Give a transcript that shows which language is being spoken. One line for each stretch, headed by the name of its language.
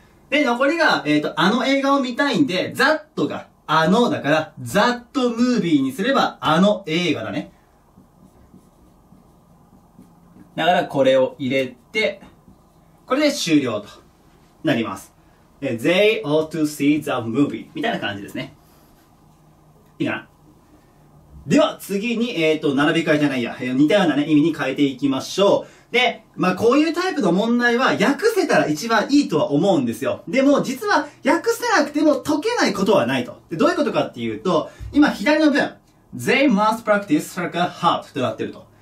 Japanese: で、残りが、あの映画を見たいんで、that があのだから、
English: that movie
Japanese: にすればあの映画だね。だからこれを入れて、これで終了となります。
English: They ought to see the movie
Japanese: みたいな感じですね。いいかな？では、次に、並び替えじゃないや、似たようなね、意味に変えていきましょう。で、まあ、こういうタイプの問題は、訳せたら一番いいとは思うんですよ。でも、実は、訳せなくても解けないことはないと。で、どういうことかっていうと、今、左の文、
English: they must practice soccer hard
Japanese: となってると。